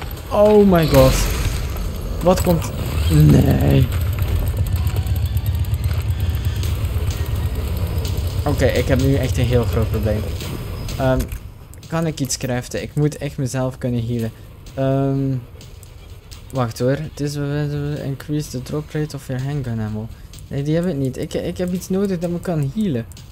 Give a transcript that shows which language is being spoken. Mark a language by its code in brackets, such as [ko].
[en] Oh my god. [nl] Wat komt... Nee. Oké, ik heb nu echt een heel groot probleem. Kan ik iets craften? Ik moet echt mezelf kunnen healen. Wacht hoor. [en] This will increase the drop rate of your handgun ammo. [nl] Nee, die heb ik niet. Ik heb iets nodig dat me kan healen.